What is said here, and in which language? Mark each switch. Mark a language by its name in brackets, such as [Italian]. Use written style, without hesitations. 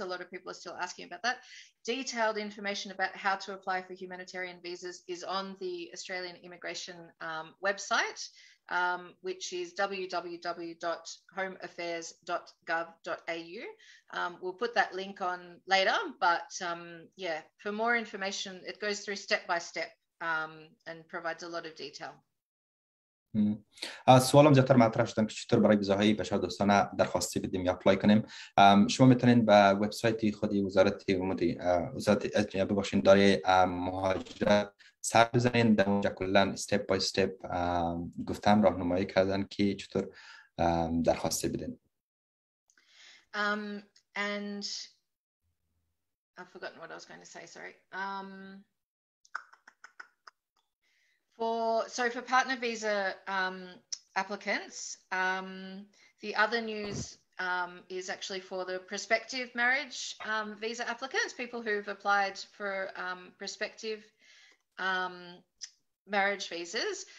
[English] A lot of people are still asking about that. Detailed information about how to apply for humanitarian visas is on the Australian Immigration website, which is www.homeaffairs.gov.au. We'll put that link on later, but for more information, it goes through step by step and provides a lot of detail. [Persian] سوالم زیادتر مطرح شدن که چطور برای ویزاهای بشر دوستانه درخواستی بدیم یا اپلای کنیم. شما میتونین به وبسایت خودی وزارت امور وزارت اجنبی ببخشین داره مهاجرت سر بزنین، در اونجا کلا [English] step by step [Persian] گفتم راهنمایی کردن که چطور درخواستی بدین. [English] And I've forgotten what I was going to say, sorry. For partner visa applicants, the other news is actually for the prospective marriage visa applicants, people who've applied for prospective marriage visas.